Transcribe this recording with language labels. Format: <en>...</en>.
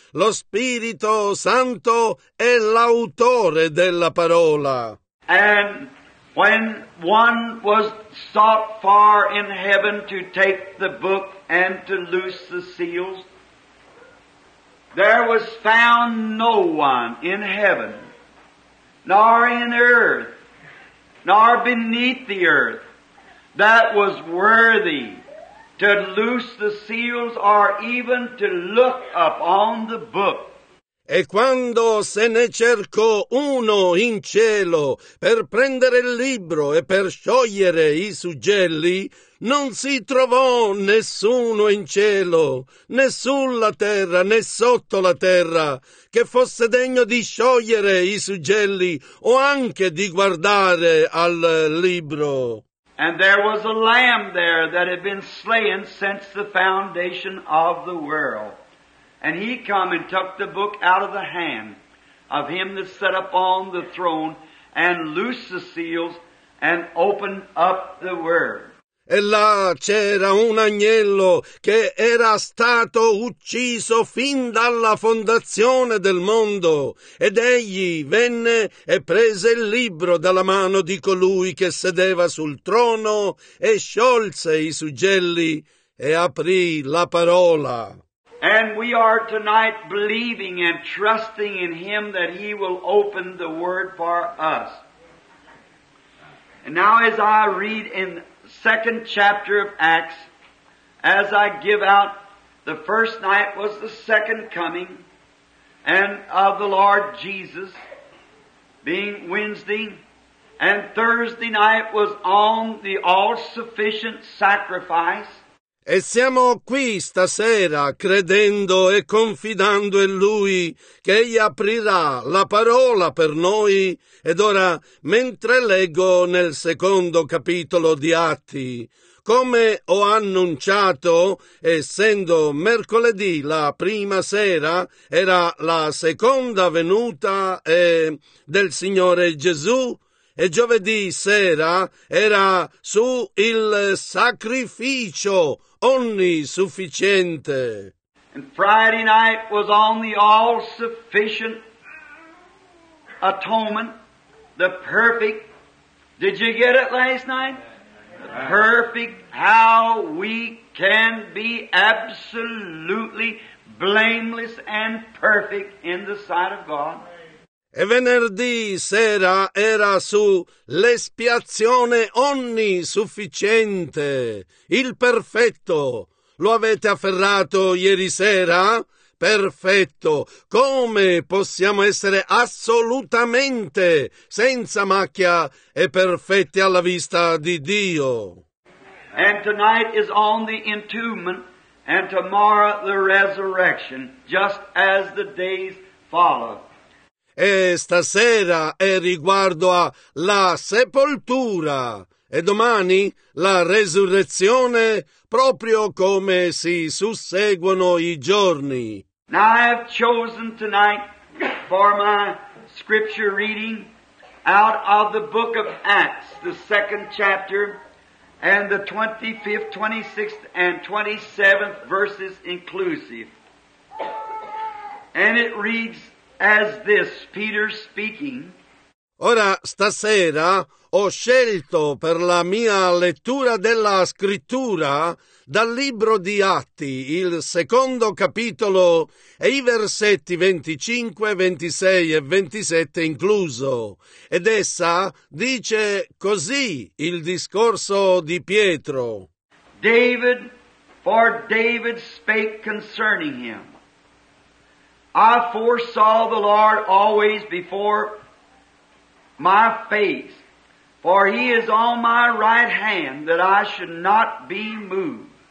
<it>Lo Spirito Santo è l'autore della parola.</it> <en>And when one was sought far in heaven to take the book and to loose the seals, there was found no one in heaven, nor in earth, nor beneath the earth, that was worthy to loose the seals or even to look upon the book.</en> <it>E quando se ne cercò uno in cielo per prendere il libro e per sciogliere i suggelli, non si trovò nessuno in cielo, né sulla terra, né sotto la terra, che fosse degno di sciogliere i suggelli o anche di guardare al libro.</it> <en>And there was a lamb there that had been slain since the foundation of the world. And he came and took the book out of the hand of him that sat upon the throne and loosed the seals and opened up the word.</en> <it>E là c'era un agnello che era stato ucciso fin dalla fondazione del mondo, ed egli venne e prese il libro dalla mano di colui che sedeva sul trono e sciolse i suggelli e aprì la parola.</it> <en>And we are tonight believing and trusting in him that he will open the word for us. And now as I read in second chapter of Acts, as I give out, the first night was the second coming and of the Lord Jesus, being Wednesday, and Thursday night was on the all-sufficient sacrifice.</en> <it>E siamo qui stasera credendo e confidando in Lui che Egli aprirà la parola per noi. Ed ora, mentre leggo nel secondo capitolo di Atti, come ho annunciato, essendo mercoledì la prima sera, era la seconda venuta del Signore Gesù, e giovedì sera era su il sacrificio onnisufficiente.</it> <en>And Friday night was on the all sufficient atonement, the perfect. Did you get it last night? The perfect, how we can be absolutely blameless and perfect in the sight of God.</en> <it>E venerdì sera era su l'espiazione onnisufficiente, il perfetto. Lo avete afferrato ieri sera? Perfetto. Come possiamo essere assolutamente senza macchia e perfetti alla vista di Dio?</it> <en>And tonight is on the entombment, and tomorrow the resurrection, just as the days follow.</en> <it>E stasera è riguardo alla sepoltura, e domani la resurrezione, proprio come si susseguono i giorni.</it> <en>Now I have chosen tonight for my scripture reading out of the book of Acts, the second chapter, and the 25th, 26th, and 27th verses inclusive. And it reads as this, Peter speaking.</en> <it>Ora stasera ho scelto per la mia lettura della scrittura dal libro di Atti, il secondo capitolo e i versetti 25, 26 e 27 incluso. Ed essa dice così il discorso di Pietro.</it> <en>David, for David spake concerning him. I foresaw the Lord always before my face. For he is on my right hand that I should not be moved.</en>